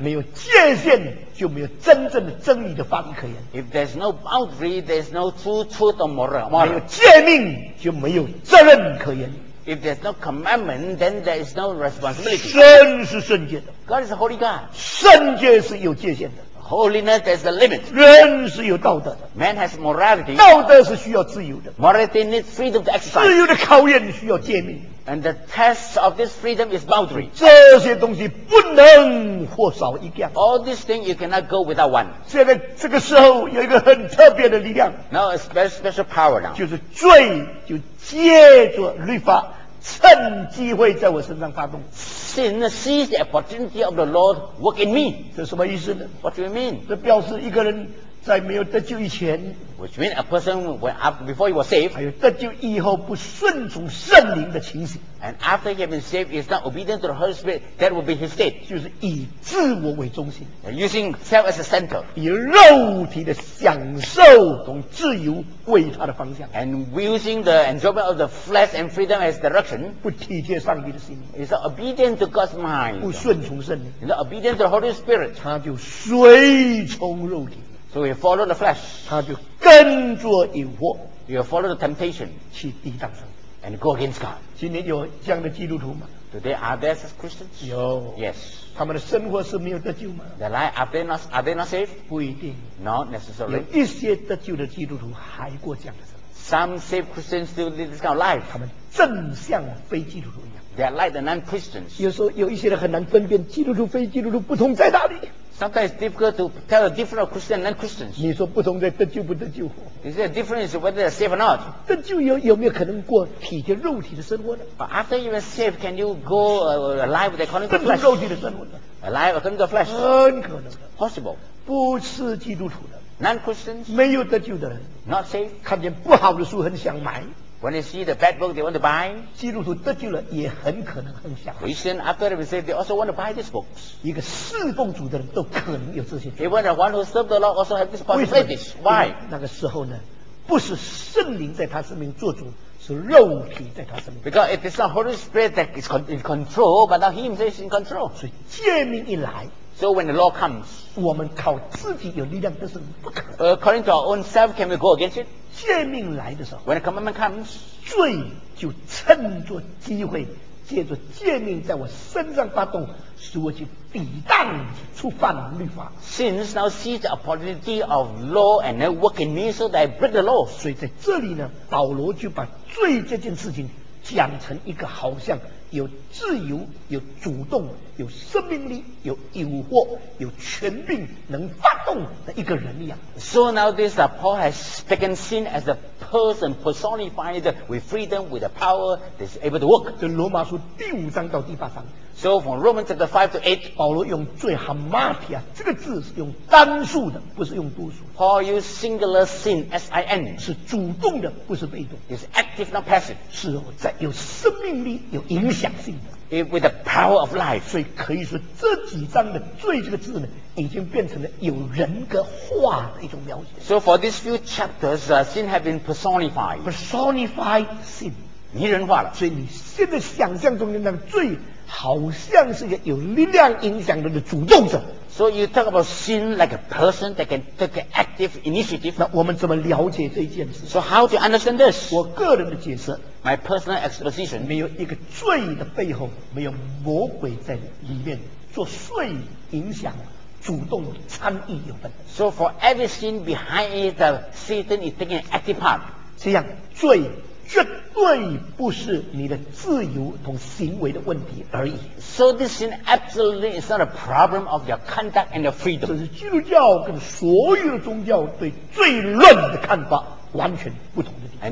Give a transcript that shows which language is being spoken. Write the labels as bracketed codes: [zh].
[zh] 没有界限就没有真正的真理的法律可言。 [en] If there's no boundary, there's no true truth or moral. [zh] 没有诫命就没有责任可言。 [en] If there's no commandment, then there is no responsibility. [zh] 神是圣洁的。 [en] God is a holy God. [zh] 圣洁是有界限的。 [en] Holiness there's a limit. [zh] 人是有道德的。 [en] Man has morality. [zh] 道德是需要自由的。 [en] Morality needs freedom to exercise. [zh] 自由的考验需要诫命。 [en] And the test of this freedom is boundary. [zh] 这些东西不能或少一样。 [en] All these things you cannot go without one. [zh] 现在这个时候有一个很特别的力量。 [en] Now a special power now. [zh] 就是罪就借着律法趁机会在我身上发动。 [en] Sin seize the opportunity of the Lord work in me. [zh] 这什么意思呢？ [en] What do you mean? [zh] 这表示一个人在没有得救以前。 [en] Which means a person before he was saved, [zh] 还有得救以后不顺从圣灵的情形。 [en] And after he has been saved, he is not obedient to the Holy Spirit, that will be his state. [zh] 就是以自我为中心。 [en] And using self as a center. [zh] 以肉体的享受同自由为他的方向。 [en] And using the enjoyment of the flesh and freedom as direction. [zh] 不体贴上帝的心。 [en] He's not obedient to God's mind. [zh] 不顺从圣灵。 [en] He's not obedient to the Holy Spirit. [zh] 他就随从肉体。 [en] So he follow the flesh. [zh] 他就跟着诱惑。 [en] You follow the temptation. [zh] 去抵挡神。 [en] And go against God. [zh] 今天有这样的基督徒吗？ [en] Do they are there such Christians? [zh] 有。 [en] Yes. [zh] 他们的生活是没有得救吗？ [en] Their life, are they not saved? [zh] 不一定。 [en] Not necessarily. [zh] 有一些得救的基督徒还过这样的生活。 [en] Some saved Christians still live this kind of life. [zh] 他们正像非基督徒一样。 [en] They are like the non-Christians. [zh] 有时候有一些人很难分辨基督徒非基督徒不同在哪里。 [en] Sometimes it's difficult to tell the difference of Christian and Christians. [zh] 你说不同的得救不得救？ [en] Is there a difference whether they're saved or not? [zh] 得救有没有可能过体的肉体的生活呢？ [en] But after you are saved, can you go alive with according to flesh? [zh] 不是肉体的生活呢？ [en] Alive according to flesh? [zh] 很可能的。 [en] Possible. [zh] 不是基督徒的。 [en] Non-Christians. [zh] 没有得救的人。 [en] Not saved. [zh] 看见不好的书很想买。 [en] When they see the bad book, they want to buy. [zh] 基督徒得救了也很可能很想。 [en] Christian, after they say they also want to buy these books. [zh] 一个侍奉主的人都可能有这些。 [en] Even the one who served the Lord also have this possibility. Why? [zh] 那个时候呢，不是圣灵在他生命做主，是肉体在他生命。 [en] Because it is not Holy Spirit that is in control, but now He Himself is in control. [zh] 所以诫命一来。 [en] So when the law comes, [zh] 我们靠自己有力量，这是不可能。 [en] According to our own self, can we go against it? [zh] 诫命来的时候 [en] ，When the commandment comes, [zh] 罪就趁着机会，借着诫命在我身上发动，使我去抵挡、触犯律法。 [en] Sins now see the opportunity of law and then work in me so that I break the law. [zh] 所以在这里呢，保罗就把罪这件事情讲成一个好像。有自由，有主动，有生命力，有诱惑，有权柄，能发动的一个人一样。 [en] So now this Paul has taken sin as a person personified with freedom, with the power that is able to work. [zh] 这罗马书第五章到第八章。 [en] So from Romans chapter 5 to 8, [zh] 保罗用最 hamartia 这个字是用单数的，不是用多数。 [en] Paul used singular sin, S-I-N, [zh] 是主动的，不是被动。 [en] It's active, not passive. [zh] 是在有生命力、有影响性的。 [en] It, with the power of life. [zh] 所以可以说这几章的罪这个字呢，已经变成了有人格化的一种描写。 [en] So for these few chapters, sin has been personified. Personified sin. [zh] 拟人化了。所以你现在想象中的那个罪好像是一个有力量影响的主动者。 [en] So you talk about sin like a person that can take an active initiative. [zh] 那我们怎么了解这件事？ [en] So how to understand this? [zh] 我个人的解释。 [en] My personal exposition. [zh] 没有一个罪的背后，没有魔鬼在里面作祟影响，主动参与有份。 [en] So for every sin behind it, the Satan is taking an active part. [zh] 这样罪绝对不是你的自由同行为的问题而已。 [en] So this sin absolutely is not a problem of your conduct and your freedom. [zh] 这是基督教跟所有的宗教对罪论的看法完全不同的地方。